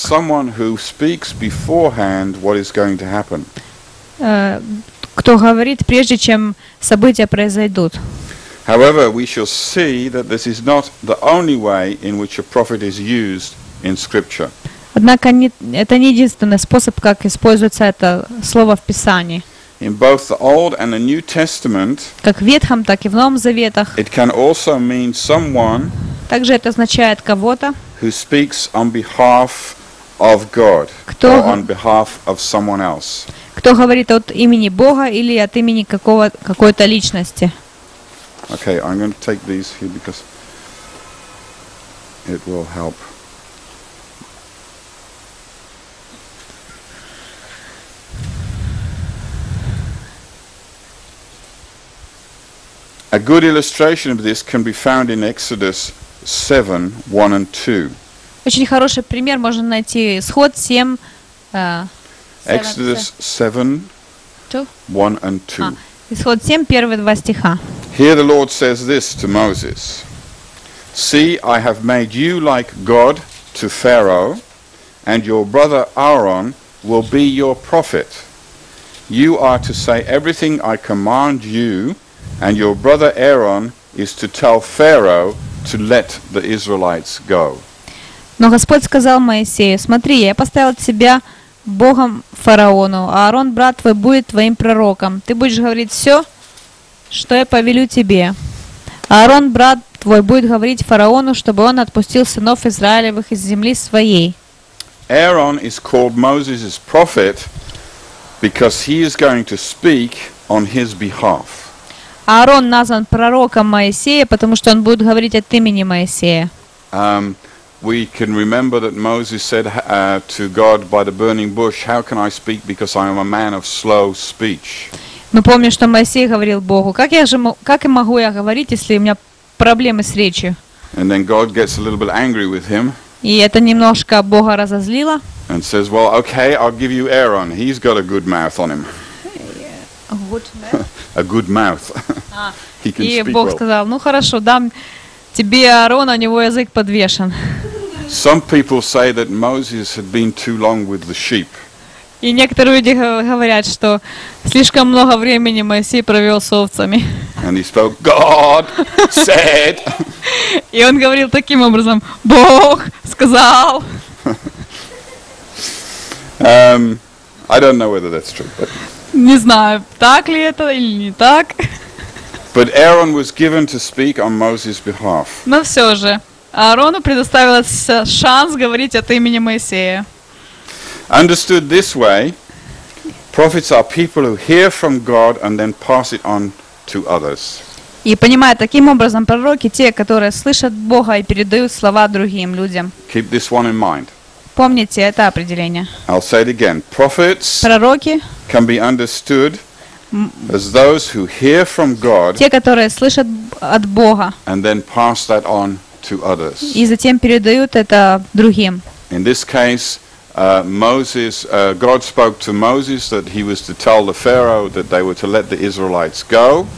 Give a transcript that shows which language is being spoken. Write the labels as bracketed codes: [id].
[en] is someone who speaks beforehand what is going to happen. [ru] Кто говорит прежде, чем события произойдут. [en] However, we shall see that this is not the only way in which a prophet is used in Scripture. [ru] Однако это не единственный способ, как используется это слово в Писании. [en] In both the Old and the New Testament, [ru] как в Ветхом, так и в Новом Заветах, [en] it can also mean someone [ru] также это означает кого-то, [en] who speaks on behalf of God or on behalf of someone else. [ru] Кто говорит от имени Бога или от имени какой-то личности. [en] Okay, I'm going to take these here because it will help. A good illustration of this can be found in Exodus 7, 1 and 2. [ru] Очень хороший пример можно найти исход 7, [en] Exodus 7, 1 and 2. [ru] Исход 7, первые два стиха. [en] Here the Lord says this to Moses. See, I have made you like God to Pharaoh, and your brother Aaron will be your prophet. You are to say everything I command you, and your brother Aaron is to tell Pharaoh to let the Israelites go. [ru] Но Господь сказал Моисею, смотри, я поставил тебя Богом фараону, а Аарон, брат твой, будет твоим пророком. Ты будешь говорить все, что я повелю тебе. Аарон, брат твой, будет говорить фараону, чтобы он отпустил сынов Израилевых из земли своей. [en] Aaron is called Moses' prophet because he is going to speak on his behalf. [ru] Аарон назван пророком Моисея, потому что он будет говорить от имени Моисея. [en] We can remember that Moses said to God by the burning bush, "How can I speak because I am a man of slow speech?" [ru] Мы помним, что Моисей говорил Богу, как и могу я говорить, если у меня проблемы с речью? [en] And then God gets a little bit angry with him. [ru] И это немножко Бога разозлило. [en] And says, "Well, okay, I'll give you Aaron. He's got a good mouth on him." A good mouth. He can speak well. [ru] И Бог сказал, ну хорошо, дам. Тебе Аарон, у него язык подвешен. [en] Some people say that Moses had been too long with the sheep. [ru] И некоторые люди говорят, что слишком много времени Моисей провел с овцами. [en] And he spoke, God said. [ru] И он говорил таким образом, Бог сказал. [en] I don't know whether that's true, but. [ru] Не знаю, так ли это или не так. [en] But Aaron was given to speak on Moses' behalf. [ru] Но все же Аарону предоставился шанс говорить от имени Моисея. [en] Understood this way, prophets are people who hear from God and then pass it on to others. [ru] И понимая таким образом, пророки те, которые слышат Бога и передают слова другим людям. [en] Keep this one in mind. [ru] Помните это определение. [en] I'll say it again. Prophets. [ru] Пророки. [en] Can be understood. As those who hear from God, [ru] те, которые слышат от Бога, [en] and then pass that on to others. [ru] И затем передают это другим. [en] In this case, Moses, God spoke to Moses that he was to tell the Pharaoh that they were to let the Israelites go.